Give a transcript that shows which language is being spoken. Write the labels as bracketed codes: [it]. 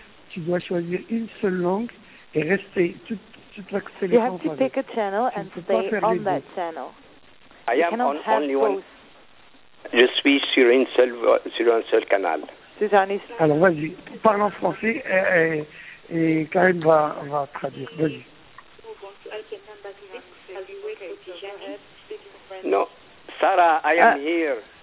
[fr] Tu dois choisir une seule langue et rester toute la sélection. [en] You have to pick a channel and stay on that channel. I am on only one. [fr] Je suis sur un seul canal. Tijani. Alors, vas-y. Parle en français et Karim va traduire. Vas-y. [en] Non. Sarah, I am here.